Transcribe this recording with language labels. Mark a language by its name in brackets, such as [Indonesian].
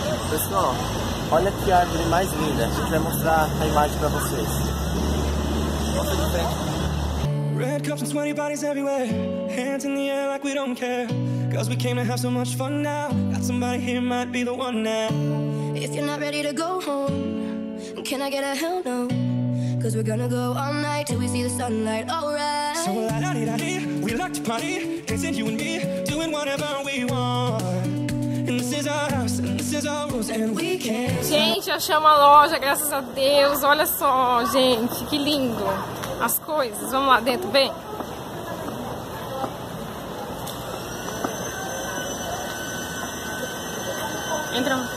[Portuguese] Pessoal, olha que árvore mais linda. A gente vai mostrar a imagem pra vocês. [English] Red cups and sweaty bodies everywhere. Hands in the air like we don't care. Cause we came to have so much fun now. Got somebody here might be the one now. If you're not ready to go home, can I get a hell no? Cause we're gonna go all night till we see the sunlight, alright. So la-da-dee-da-dee, we like to party. Dancing you and me, doing whatever we want. And this is our house, and this is our rules, and we can't. [Portuguese] Gente, achamos a loja, graças a Deus. Olha só, gente, que lindo. As coisas, vamos lá dentro, vem. Entra.